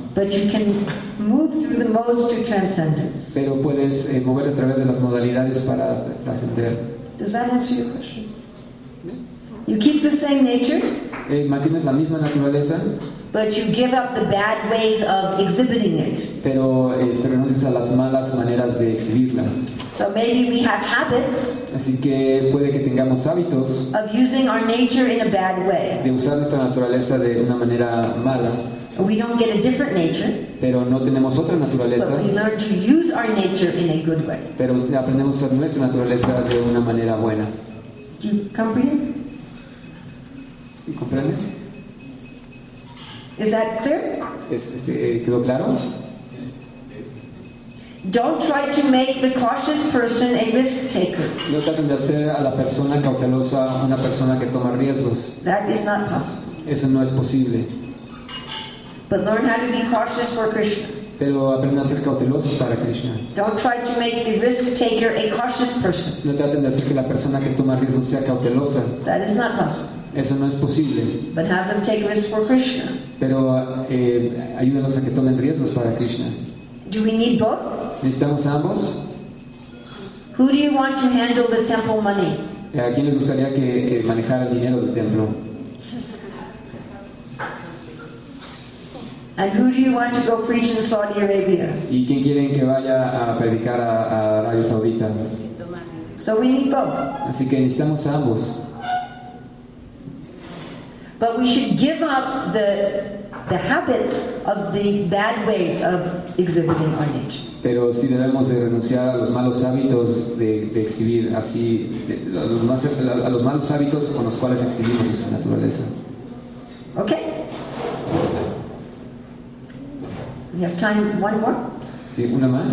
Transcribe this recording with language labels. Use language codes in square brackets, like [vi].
[en] But you can move through the modes to transcendence. [es] Pero puedes moverte a través de las modalidades para trascender. [en] Does that answer your question? You keep the same nature. [es] Mantienes la misma naturaleza. [en] But you give up the bad ways of exhibiting it. [es] Pero renuncias a las malas maneras de exhibirla. [en] So maybe we have habits. [es] Así que puede que tengamos hábitos. [en] Of using our nature in a bad way. [es] De usar nuestra naturaleza de una manera mala. [en] We don't get a different nature. [es] Pero no tenemos otra naturaleza. [en] But we learn to use our nature in a good way. [es] Pero aprendemos a usar nuestra naturaleza de una manera buena. [en] Do you comprehend? [es] ¿Sí, comprende? [en] Is that clear? [es] ¿Quedó claro? [en] Don't try to make the cautious person a risk taker. [es] No traten de hacer a la persona cautelosa una persona que toma riesgos. [en] That is not possible. [es] Eso no es posible. [en] But learn how to be cautious for Krishna. [es] Pero aprendan a ser cautelosos para Krishna. [en] Don't try to make the risk taker a cautious person. [es] No traten de hacer que la persona que toma riesgos sea cautelosa. [en] That is not possible. [es] Eso no es posible. [en] But have them take risks for Krishna. [es] Pero ayúdenlos a que tomen riesgos para Krishna. [en] Do we need both? [es] ¿Necesitamos ambos? [en] Who do you want to handle the temple money? [es] ¿A quién les gustaría que manejara el dinero del templo? [en] And who do you want to go preach in Saudi Arabia? [es] ¿Y quién quieren que vaya a predicar a Arabia Saudita? [en] So we need both. [es] Así que necesitamos ambos. [en] But we should give up the habits of the bad ways of exhibiting our nature. [es] Pero sí debemos de renunciar a los malos hábitos de exhibir así a los malos hábitos con los cuales exhibimos nuestra naturaleza. [en] Okay. We have time, one more. [es] Sí, una más.